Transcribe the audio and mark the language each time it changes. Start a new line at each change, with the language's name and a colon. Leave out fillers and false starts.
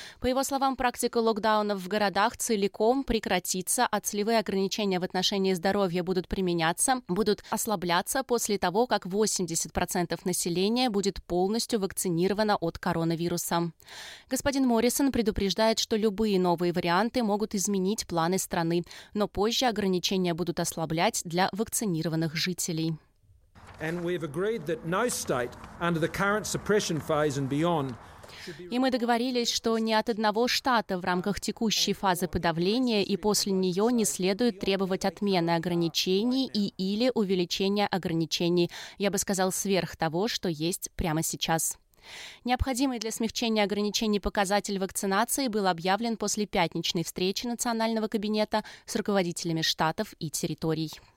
Russian: По его словам, практика локдаунов в городах целиком прекратится, а целевые ограничения в отношении здоровья будут ослабляться после того, как 80% населения будет полностью вакцинировано от коронавируса. Господин Моррисон предупреждает, что любые новые варианты могут изменить планы страны, но позже ограничения будут ослаблять для вакцинированных жителей.
English: And we've agreed that no state under the current suppression phase and beyond.
Russian: И мы договорились, что ни от одного штата в рамках текущей фазы подавления и после нее не следует требовать отмены ограничений и или увеличения ограничений. Я бы сказал, сверх того, что есть прямо сейчас. Необходимый для смягчения ограничений показатель вакцинации был объявлен после пятничной встречи национального кабинета с руководителями штатов и территорий.